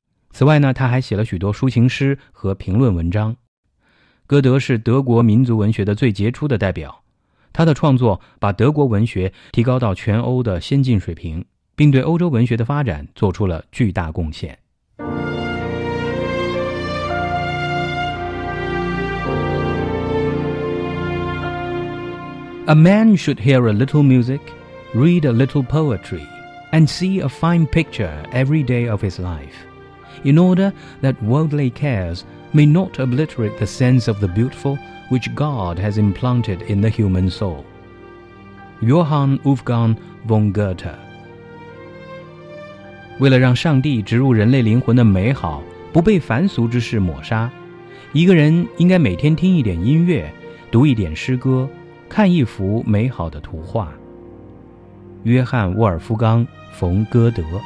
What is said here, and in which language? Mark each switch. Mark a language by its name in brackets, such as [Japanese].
[Chinese] 此外呢，他还写了许多抒情诗和评论文章。歌德是德国民族文学的最杰出的代表，他的创作把德国文学提高到全欧的先进水平，并对欧洲文学的发展做出了巨大贡献。 [English] A man should hear a little music, read a little poetry, and see a fine picture every day of his life, in order that worldly cares may not obliterate the sense of the beautiful which God has implanted in the human soul. Johann Wolfgang von Goethe. [Chinese] 为了让上帝植入人类灵魂的美好，不被凡俗之事抹杀，一个人应该每天听一点音乐，读一点诗歌，看一幅美好的图画。约翰·沃尔夫冈·冯·歌德。